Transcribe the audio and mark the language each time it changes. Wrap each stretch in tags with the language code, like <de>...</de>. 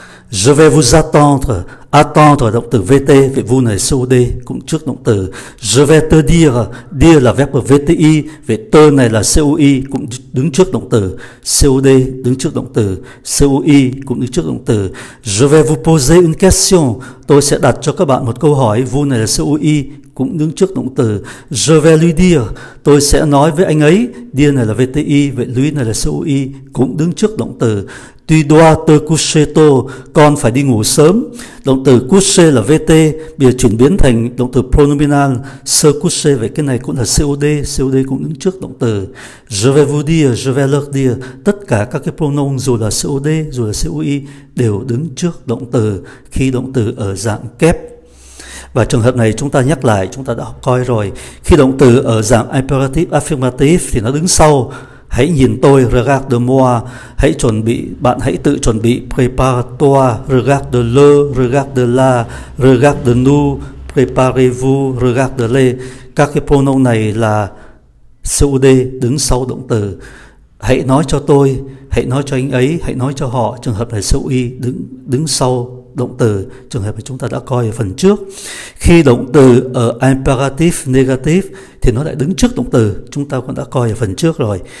<fr>Je vais vous attendre.</fr> <vi>Attendre động từ VT, vị vous này COD cũng trước động từ.</vi> <fr>Je vais te dire.</fr> <vi>Dire là verb VTI, vị te này là COI cũng đứng trước động từ. COD đứng trước động từ, COI cũng đứng trước động từ.</vi> <fr>Je vais vous poser une question.</fr> <vi>Tôi sẽ đặt cho các bạn một câu hỏi, vous này là COI cũng đứng trước động từ.</vi> <fr>Je vais lui dire.</fr> <vi>Tôi sẽ nói với anh ấy. Dire này là VTI, vị lui này là COI cũng đứng trước động từ.</vi> <fr>Tu dois te coucher tôi,</fr> <vi>con phải đi ngủ sớm. Động từ coucher là VT, bây giờ chuyển biến thành động từ pronominal, se coucher, vậy cái này cũng là COD, COD cũng đứng trước động từ.</vi> <fr>Je vais vous dire, je vais leur dire,</fr> <vi>tất cả các cái pronoun dù là COD, dù là COI, đều đứng trước động từ, khi động từ ở dạng kép. Và trường hợp này chúng ta nhắc lại, chúng ta đã học coi rồi. Khi động từ ở dạng imperative affirmative thì nó đứng sau. Hãy nhìn tôi,</vi> <fr>regarde moi.</fr> <vi>Hãy chuẩn bị, bạn hãy tự chuẩn bị,</vi> <fr>prépare toi. Regarde le, regarde la, regarde nous, préparez-vous, regarde les.</fr> <vi>Các cái pronoun này là COD đứng sau động từ. Hãy nói cho tôi, hãy nói cho anh ấy, hãy nói cho họ. Trường hợp này COD đứng sau động từ, trường hợp mà chúng ta đã coi ở phần trước. Khi động từ ở imperative negative thì nó lại đứng trước động từ, chúng ta cũng đã coi ở phần trước rồi.</vi>